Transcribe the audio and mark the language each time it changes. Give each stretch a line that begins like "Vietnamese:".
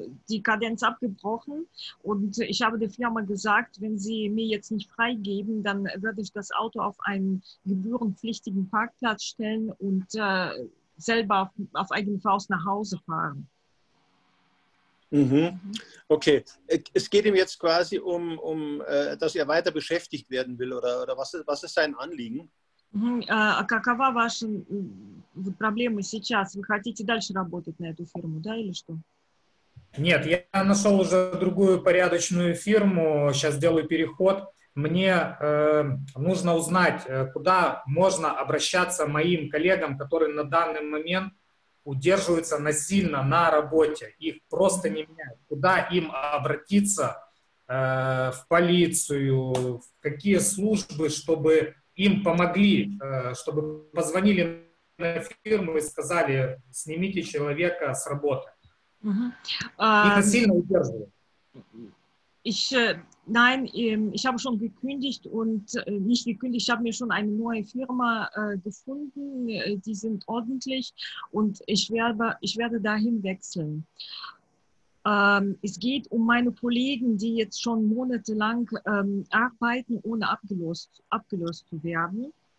German: Die Kadenz abgebrochen und ich habe der Firma gesagt, wenn sie mir jetzt nicht freigeben, dann würde ich das Auto auf einen gebührenpflichtigen Parkplatz stellen und selber auf eigene Faust nach Hause fahren. Mhm. Okay, es geht ihm jetzt quasi um dass er weiter beschäftigt werden will oder was ist sein Anliegen?
Russian: Какова ваша проблема сейчас? Вы хотите дальше работать на эту фирму, да, или что? Нет, я нашел уже другую порядочную фирму, сейчас делаю переход. Мне нужно узнать, куда можно обращаться моим коллегам, которые на данный момент удерживаются насильно на работе. Их просто не меняют. Куда им обратиться, в полицию, в какие службы, чтобы им помогли, чтобы позвонили на фирму и сказали, снимите человека с работы. Это сильно удерживает.
German: Nein, ich habe schon gekündigt und nicht gekündigt, ich habe mir schon eine neue Firma gefunden, die sind ordentlich und ich werde dahin wechseln. Es geht um meine Kollegen, die jetzt schon monatelang arbeiten, ohne abgelöst zu werden.